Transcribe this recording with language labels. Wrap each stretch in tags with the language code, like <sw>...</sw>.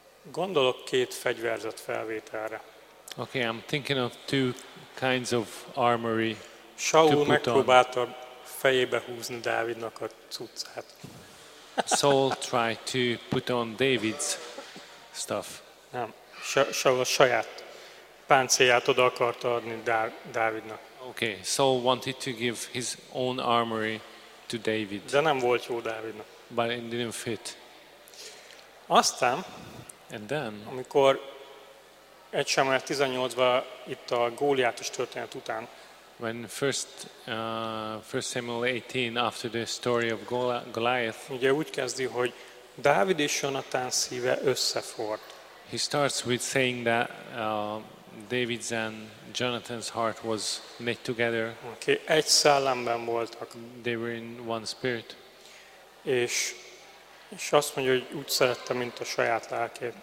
<hu>Gondolok két fegyverzet felvételre.</hu> <en>Okay, I'm thinking of two kinds of armory.</en> <hu>Saul megpróbálta fejébe húzni Dávidnak a cuccát.</hu> <en>Saul tried to put on David's stuff.</en> <hu>Nem. Saul a saját páncélját oda akarta adni Dávidnak.</hu> <en>Okay, Saul wanted to give his own armory to David.</en> <hu>De nem volt jó Dávidnak.</hu> <en>But it didn't fit.</en> <hu>Aztán,</hu> <en>and then,</en> <hu>amikor 1 Samuel 18-ban itt a Góliátos történet után,</hu> <en>when first Samuel 18 after the story of Goliath.</en> <hu>Ugye úgy kezdi, hogy Dávid és Jonatán szíve összefort.</hu> <en>He starts with saying that David's and Jonathan's heart was knit together.</en> <hu>Okay, egy szellemben voltak.</hu> <en>They were in one spirit.</en> <hu>És azt mondja, hogy úgy szerette, mint a saját lelkét.</hu>